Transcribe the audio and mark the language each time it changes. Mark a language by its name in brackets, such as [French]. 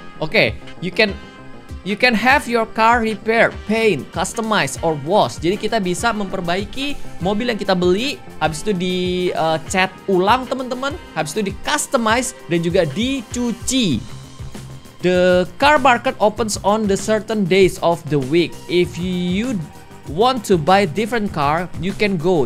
[English] Okay, you can have your car repaired, paint, customized, or washed. [Indonesian] Jadi kita bisa memperbaiki mobil yang kita beli, habis itu di cat ulang teman-teman, habis itu di customize dan juga dicuci. [English] The car market opens on the certain days of the week. If you want to buy different car, you can go.